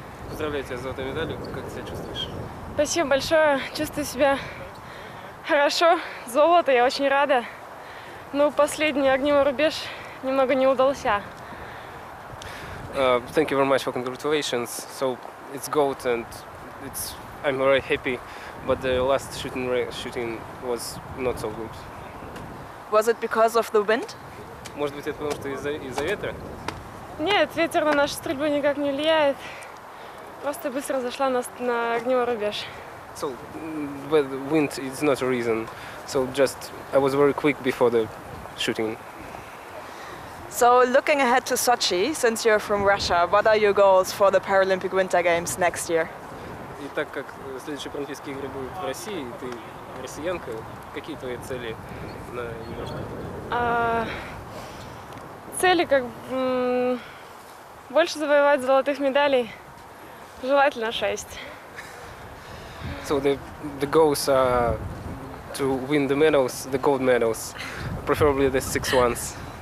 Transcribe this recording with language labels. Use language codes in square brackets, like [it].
[ru] Поздравляю тебя с золотой медалью. Как себя чувствуешь? Спасибо большое. Чувствую себя хорошо. Золото, я очень рада. Ну, последний огневой рубеж немного не удался. [en] Thank you very much for congratulations. So it's gold and it's I'm very happy, but the last shooting was not so good. Was it because of the wind? [ru] Может быть, это потому что из-за ветра? Нет, ветер на нашу стрельбу никак не влияет. Просто быстро зашла на огневой рубеж. [en] So, but wind is not a reason. So just I was very quick before the shooting. So looking ahead to Sochi, since you're from Russia, what are your goals for the Paralympic Winter Games next year? [ru] И так как следующие Паралимпийские игры будут в России, и ты россиянка, какие твои цели на Европе? Цели как больше завоевать золотых медалей, желательно 6. [en] So the goals are to win the medals, the gold medals, preferably the 6 ones.